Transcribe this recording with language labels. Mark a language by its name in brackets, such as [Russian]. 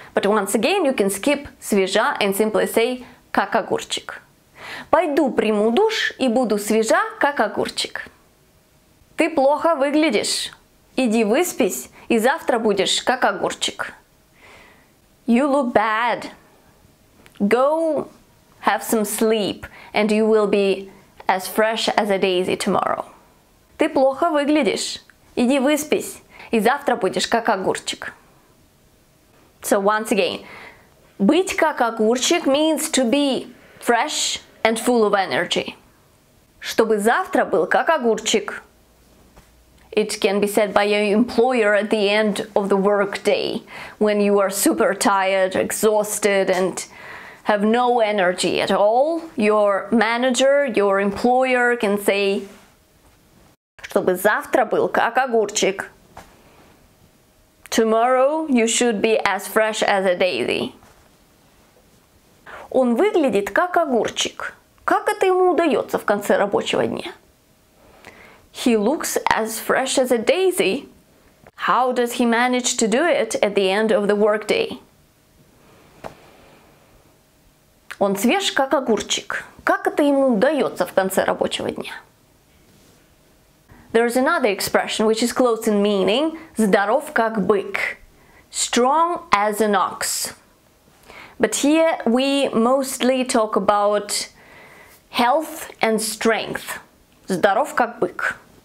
[English] But once again, you can skip свежа and simply say [Russian] как огурчик. Пойду приму душ и буду свежа, как огурчик. Ты плохо выглядишь. Иди выспись и завтра будешь как огурчик. [English] You look bad. Go have some sleep and you will be as fresh as a daisy tomorrow. [Russian] Ты плохо выглядишь. Иди выспись, и завтра будешь как огурчик. [English] So once again, [Russian] быть как огурчик [English] means to be fresh and full of energy. [Russian] Чтобы завтра был как огурчик. [English] It can be said by your employer at the end of the work day, when you are super tired, exhausted and have no energy at all. Your manager, your employer can say, [Russian] чтобы завтра был как огурчик. [English] Tomorrow you should be as fresh as a daisy. [Russian] Он выглядит как огурчик. Как это ему удается в конце рабочего дня? [English] He looks as fresh as a daisy. How does he manage to do it at the end of the workday? [Russian] Он свеж как огурчик. Как это ему удается в конце рабочего дня? [English] There is another expression which is close in meaning, [Russian] здоров как бык, [English] strong as an ox. But here we mostly talk about health and strength. [Russian] Здоров как бык.